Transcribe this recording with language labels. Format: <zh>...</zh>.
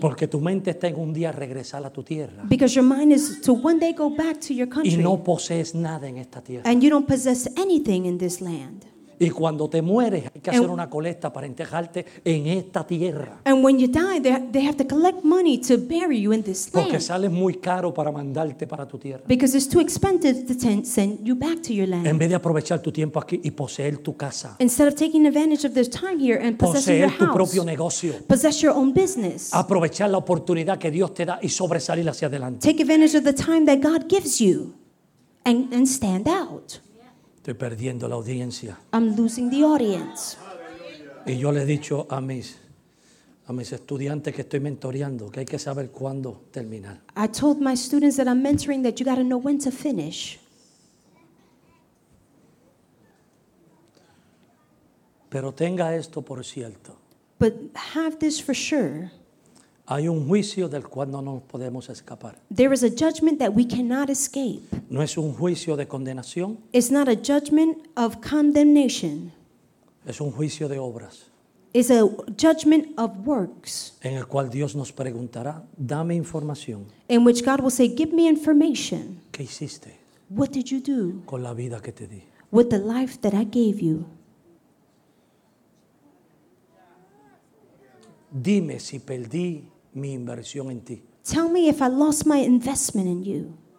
<es>Porque tu mente está en un día regresar a tu tierra.</es> <en>Because your mind is to one day go back to your country.</en> <es>Y no posees nada en esta tierra.</es> <en>And you don't possess anything in this land.</en> <es>Y cuando te mueres hay que hacer una colecta para enterrarte en esta tierra.</es> <en>And when you die they have to collect money to bury you in this land.</en> <es>Porque sales muy caro para mandarte para tu tierra.</es> <en>Because it's too expensive to send you back to your land.</en> <es>En vez de aprovechar tu tiempo aquí y poseer tu casa.</es> <en>Instead of taking advantage of this time here and possessing your house.</en> <es>Poseer tu propio negocio.</es> <en>Possess your own business.</en> <es>Aprovechar la oportunidad que Dios te da y sobresalir hacia adelante.</es> <en>Take advantage of the time that God gives you. and stand out.</en> <es>Estoy perdiendo la audiencia.</es> <en>I'm losing the audience.</en> <es>Y yo le he dicho a mis estudiantes que estoy mentoreando que hay que saber cuándo terminar.</es> <en>I told my students that I'm mentoring that you got to know when to finish.</en> <es>Pero tenga esto por cierto.</es> <en>But have this for sure.</en> <es>Hay un juicio del cual no nos podemos escapar.</es> <en>There is a judgment that we cannot escape.</en> <es>No es un juicio de condenación.</es> <en>It's not a judgment of condemnation.</en> <es>Es un juicio de obras.</es> <en>It's a judgment of works.</en> <es>En el cual Dios nos preguntará, dame información.</es> <en>In which God will say, give me information.</en> <es>¿Qué hiciste?</es> <en>What did you do?</en> <es>Con la vida que te di.</es> <en>With the life that I gave you.</en> <es>Dime si perdí mi inversión en ti.</es> <en>Tell me if I lost my investment in you.</en>